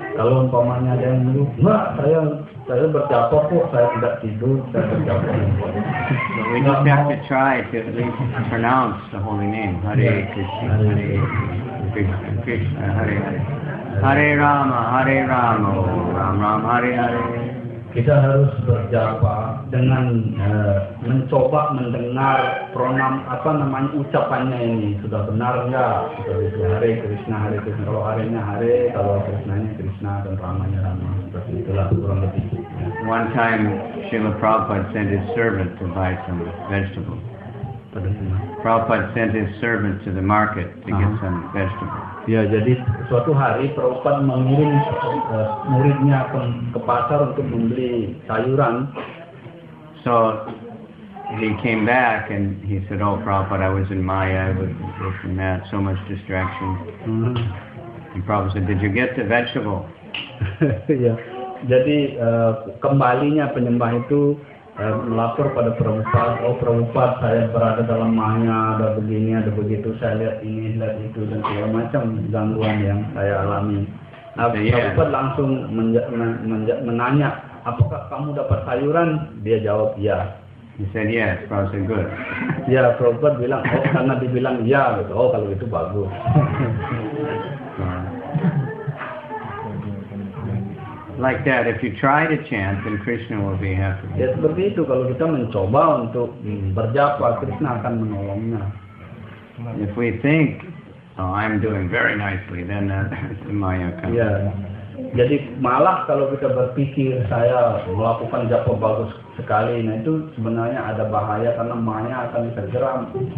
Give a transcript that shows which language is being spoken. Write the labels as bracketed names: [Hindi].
[Indonesian] Kalau umpamanya ada yang menurut, wah saya berjapa kok, saya tidak tidur, saya berjapa. [English] We just have to try to at least pronounce the holy name. [Sanskrit] Hare Krishna, Hare Krishna, Krishna, Hare Hare. Hare Rama, Hare Rama, Ram Ram, Hare Hare. [Indonesian] Kita harus berjapa dengan mencoba mendengar pronam apa namanya ucapannya ini sudah benar enggak? Seperti itu Hare Krishna, Hare Krishna. Kalau Hare-nya Hare, kalau Krishna-nya Krishna dan Rama-nya Rama. Seperti itulah kurang lebih. [English] One time, Srila Prabhupada sent his servant to buy some vegetables. Prabhupada sent his servant to the market to get some vegetables. [Indonesian] Ya, jadi suatu hari Prabhupada mengirim muridnya ke pasar untuk membeli sayuran. [English] So he came back and he said, "Oh, Prabhupada, I was in Maya, I was this and that, so much distraction." And Prabhupada said, "Did you get the vegetable?" [Indonesian] Ya, jadi kembalinya penyembah itu. Melapor pada Prabhupada, oh Prabhupada saya berada dalam maya, ada begini, ada begitu, saya lihat ini, lihat itu, dan segala macam gangguan yang saya alami. Prabhupada langsung menanya, apakah kamu dapat sayuran? Dia jawab, ya. [English] He said, yes, Prabhupada said, good. [Indonesian] Ya, Prabhupada bilang, oh karena dibilang ya, gitu. Oh kalau itu bagus. [English] Like that, if you try to chant, then Krishna will be happy. [Indonesian] Ya, seperti itu. Kalau kita mencoba untuk berjapa, Krishna akan menolongnya. [English] If we think, oh, I'm doing very nicely, then that's the maya. [Indonesian] Ya, Jadi malah kalau kita berpikir saya melakukan japa bagus sekali, nah itu sebenarnya ada bahaya karena maya akan tergeram.